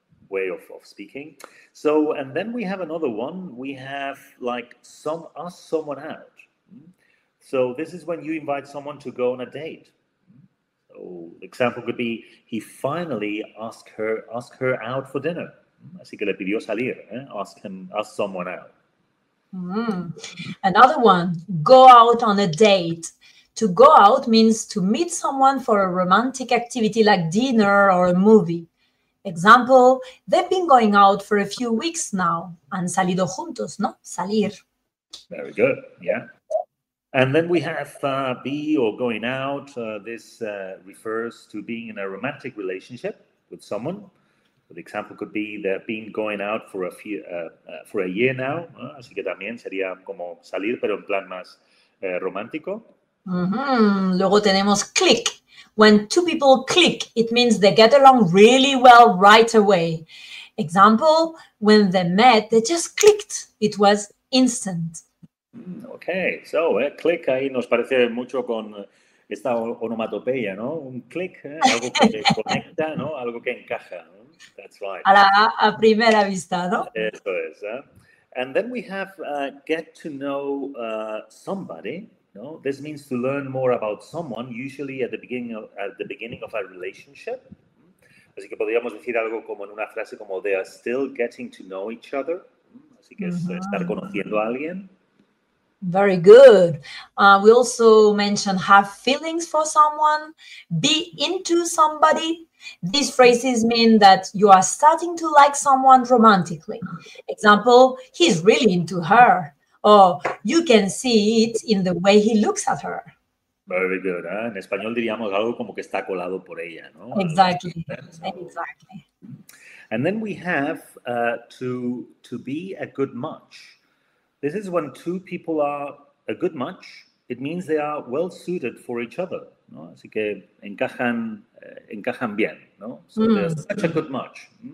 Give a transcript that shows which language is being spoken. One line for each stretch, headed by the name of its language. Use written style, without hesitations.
English: Way of speaking. So, and then we have another one. We have like some ask someone out. So this is when you invite someone to go on a date. So the example could be, he finally asked her out for dinner.
Spanish: Así que le pidió salir,
English: ask someone out. Another one, go out on a date. To go out means to meet someone for a romantic activity like dinner or a movie. Example, they've been going out for a few weeks now.
Spanish: Han salido juntos, ¿no? Salir.
English: Very good, yeah. And then we have be or going out. This refers to being in a romantic relationship with someone. The example could be they've been going out for a few for a year now.
Spanish: Así que también sería como salir, pero en plan más romántico. Mm-hmm. Luego tenemos click.
English: When two people click, it means they get along really well right away. Example, when they met, they just clicked. It was instant.
Spanish: Okay, so click ahí nos parece mucho con esta onomatopeya, ¿no? Un click, algo que conecta, ¿no? Algo que encaja.
English: That's right.
Spanish: A primera vista, ¿no? Eso es.
English: And then we have get to know somebody. No, this means to learn more about someone, usually at the beginning of a relationship.
Spanish: Así que podríamos decir algo como en una frase como
English: they are still getting to know each other.
Spanish: Así que es estar conociendo a alguien.
English: Very good. We also mentioned have feelings for someone, be into somebody. These phrases mean that you are starting to like someone romantically. Example, he's really into her. Oh, you can see it in the way he looks at her. Very good. ¿Eh?
Spanish: En español diríamos algo como que está colado por ella, ¿no?
English: Exactly. Exactly. And then we have to be a good match. This is when two people are a good match. It means they are well suited for each other, ¿no?
Spanish: Así que encajan bien, ¿no?
English: So they're such a good match.